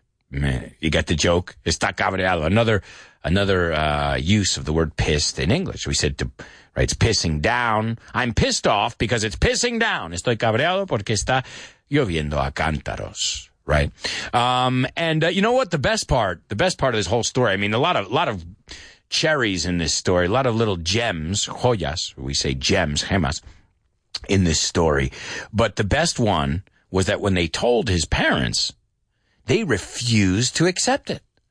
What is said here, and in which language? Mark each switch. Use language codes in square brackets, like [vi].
[en] Man, you got the joke? [es] Está cabreado. [en] Another use of the word pissed in English. We said to, right, it's pissing down. I'm pissed off because it's pissing down. [es] Estoy cabreado porque está lloviendo a cántaros, [en] right? You know what? The best part of this whole story, I mean, a lot of cherries in this story, a lot of little gems, joyas, we say gems, gemas, in this story. But the best one was that when they told his parents, they refused to accept it.